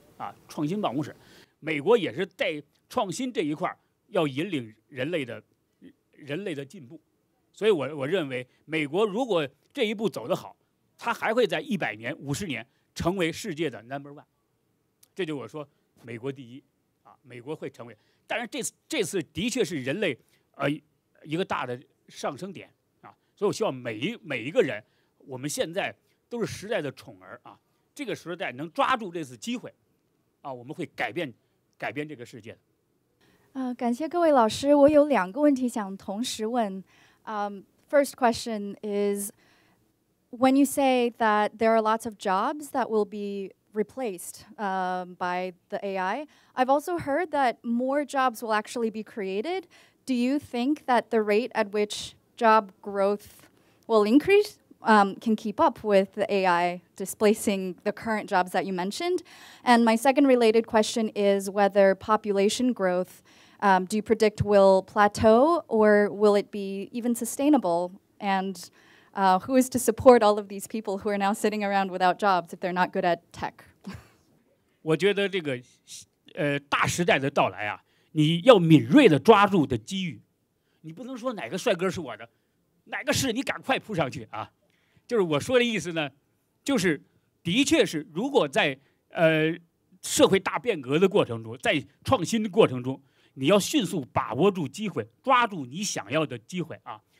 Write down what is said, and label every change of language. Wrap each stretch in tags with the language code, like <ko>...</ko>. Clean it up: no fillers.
<zh>啊，创新办公室，美国也是在创新这一块要引领人类的进步，所以我认为美国如果这一步走得好，它还会在100年、50年成为世界的</zh> <en>number one，</en> <zh>这就我说美国第一，啊，美国会成为，但是这次的确是人类一个大的上升点啊，所以我希望每一个人，我们现在都是时代的宠儿啊，这个时代能抓住这次机会。啊，我们会改变这个世界的。感谢各位老师，我有两个问题想同时问。</zh> <en>First question is, when you say that there are lots of jobs that will be replaced by the AI, I've also heard that more jobs will actually be created. Do you think that the rate at which job growth will increase? Can keep up with the AI displacing the current jobs that you mentioned? And my second related question is whether population growth, do you predict will plateau or will it be even sustainable? And who is to support all of these people who are now sitting around without jobs if they're not good at tech?</en> <zh>我觉得这个大时代的到来啊，你要敏锐地抓住的机遇，你不能说哪个帅哥是我的，哪个是你赶快扑上去啊。就是我说的意思呢，就是的确是，如果在社会大变革的过程中，在创新的过程中，你要迅速把握住机会，抓住你想要的机会啊。</zh>